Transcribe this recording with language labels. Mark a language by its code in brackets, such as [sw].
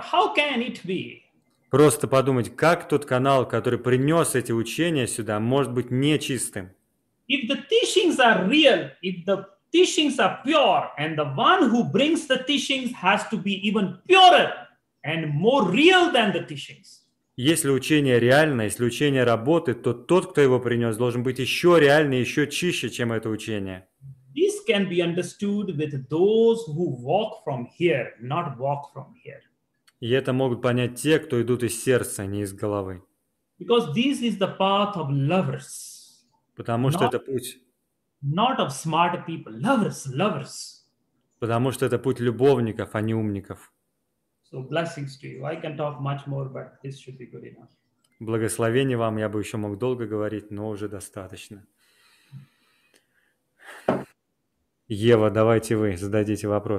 [en] How can it be? [ru] Просто подумайте, как тот канал, который принес эти учения сюда, может быть нечистым? [en] If the teachings are real, if the teachings are pure, and the one who brings the teachings has to be even purer, and more real than the teachings. [ru] Если учение реально, если учение работает, то тот, кто его принес, должен быть еще реальнее, еще чище, чем это учение. [en] This can be understood with those who walk from here, not walk from here. [ru] И это могут понять те, кто идут из сердца, а не из головы. [en] Because this is the path of lovers. [ru] Потому что это путь... [en] Not of smart people, lovers. [ru] Потому что это путь любовников, а не умников. [en] So blessings to you. I can talk much more, but this should be good enough. [ru] Благословение вам. Я бы еще мог долго говорить, но уже достаточно. Ева, давайте вы зададите вопрос.